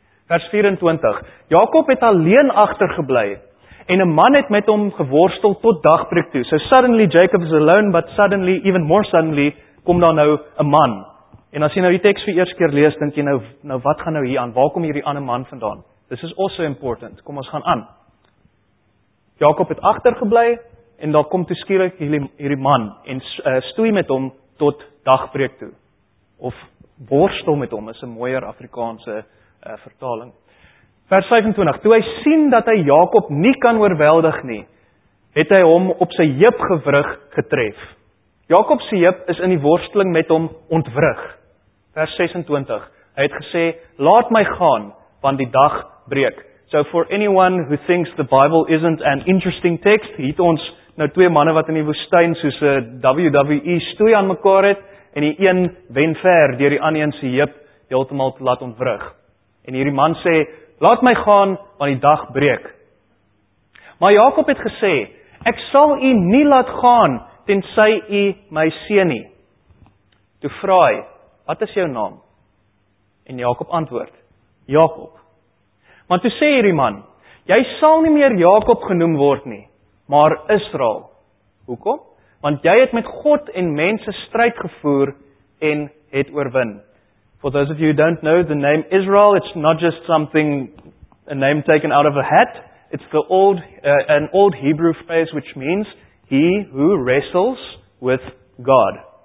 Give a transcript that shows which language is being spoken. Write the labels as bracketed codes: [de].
[af] Vers 24, Jakob het alleen agtergebly, en een man het met hom geworstel tot dagbreek toe. [en] So suddenly Jacob is alone, but suddenly, even more suddenly, [af] kom daar nou een man. En as jy nou die tekst vir die eerste keer lees, denk jy nou wat gaan nou hier aan? Waar kom hierdie ander man vandaan? [en] This is also important. [af] Kom ons gaan aan. Jakob het agtergebly, en daar kom toe skielik hierdie man, en stoei met hom tot dagbreek toe. Of worstel met hom, is een mooier Afrikaanse vertaling. Vers 25, toe hy sien dat hy Jakob nie kan oorweldig nie, het hy hom op sy heup gewrig getref. Jakob se heup is in die worsteling met hom ontwrig. Vers 26, hy het gesê, laat my gaan, want die dag breek. [en] So for anyone who thinks the Bible isn't an interesting text, [af] het ons nou twee manne wat in die woestijn soos WWE stoei aan mekaar het, en die een wen ver deur die ander een se heup heeltemal te laat ontwrig. En hierdie man sê, laat my gaan, want die dag breek. Maar Jakob het gesê, ek sal u nie laat gaan, tensy u my seën nie. Toe vra hy, wat is jou naam? En Jakob antwoord, Jakob. Maar toe sê hierdie man, jy sal nie meer Jakob genoem word nie, maar Israel. Hoekom? Want jy het met God en mense stryd gevoer en het oorwin. [en] For those of you who don't know, the name Israel, it's not just something, a name taken out of a hat. It's the old, an old Hebrew phrase, which means, he who wrestles with God.